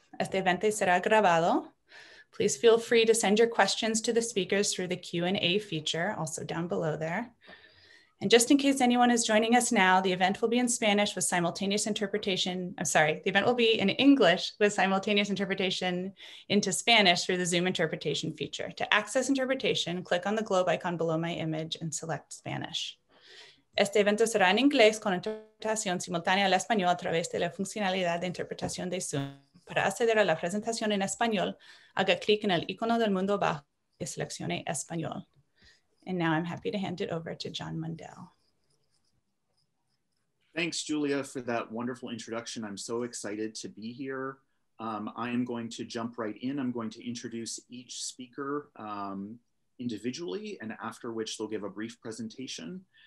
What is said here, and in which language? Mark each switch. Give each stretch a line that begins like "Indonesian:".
English: Este evento será grabado. Please feel free to send your questions to the speakers through the Q&A feature, also down below there. And just in case anyone is joining us now, the event will be in Spanish with simultaneous interpretation. I'm sorry, the event will be in English with simultaneous interpretation into Spanish through the Zoom interpretation feature. To access interpretation, click on the globe icon below my image and select Spanish.
Spanish: Este evento será en inglés con interpretación simultánea al español a través de la funcionalidad de interpretación de Zoom. Para acceder a la presentación en español, haga clic en el icono del mundo abajo y seleccione español.
English: And now I'm happy to hand it over to John Mundell. Thanks, Julia, for that wonderful introduction. I'm so excited to be here. I am going to jump right in. I'm going to introduce each speaker individually, and after which they'll give a brief presentation.